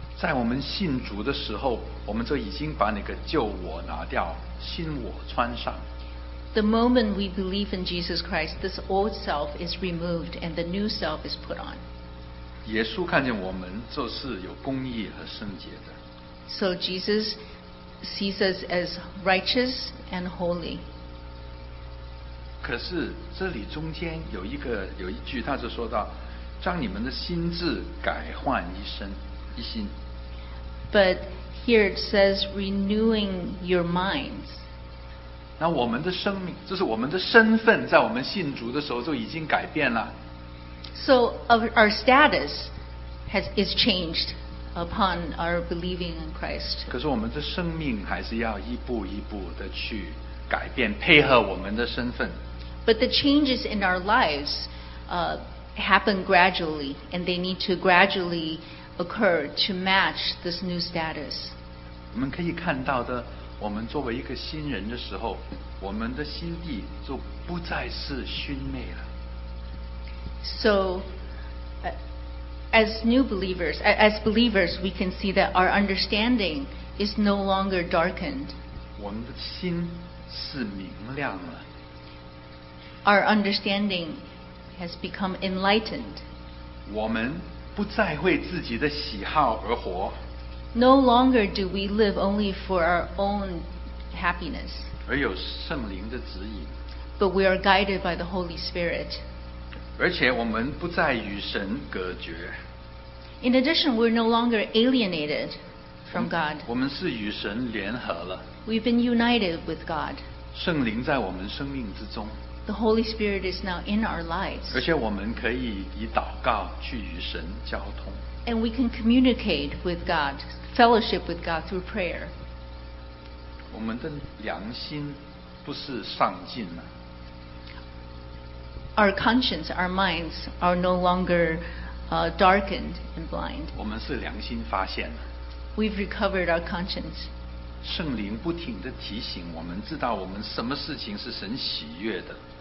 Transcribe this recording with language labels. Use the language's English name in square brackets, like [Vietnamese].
[Chinese] 在我们信主的时候，我们就已经把那个旧我拿掉，新我穿上。 [English] The moment we believe in Jesus Christ, this old self is removed and the new self is put on. [Chinese] 耶稣看见我们就是有公义和圣洁的。 [English] So Jesus sees us as righteous and holy. [Chinese] 可是这里中间有一句，他就说到，将你们的心智改换一新。 [English] But here it says renewing your minds. [Chinese] 那我们的生命，就是我们的身份，在我们信主的时候就已经改变了。 [English] So our status is changed. Upon our believing in Christ. [Chinese] 可是我们的生命还是要一步一步的去改变，配合我们的身份。 [English] But the changes in our lives happen gradually, and they need to gradually occur to match this new status. [Chinese] 我们可以看到的，我们作为一个新人的时候，我们的心地就不再是熏昧了。 [English] So, as new believers, as believers, we can see that our understanding is no longer darkened. [Chinese] 我们的心是明亮了。 [English] Our understanding has become enlightened. [Chinese] 我们不再为自己的喜好而活。 [English] No longer do we live only for our own happiness. [Chinese] 而有圣灵的指引。 [English] But we are guided by the Holy Spirit. [Chinese] 而且我们不再与神隔绝。 [English] In addition, we're no longer alienated from God. [Chinese] 我们是与神联合了。 [English] We've been united with God. [Chinese] 圣灵在我们生命之中。 [English] The Holy Spirit is now in our lives. [Chinese] 而且我们可以以祷告去与神交通。 [English] And we can communicate with God, fellowship with God through prayer. [Chinese] 我们的良心不是上进了。 [English] Our conscience, our minds are no longer darkened and blind. [Chinese] 我们是良心发现了。 [English] We've recovered our conscience. [Chinese] 圣灵不停地提醒我们，知道我们什么事情是神喜悦的。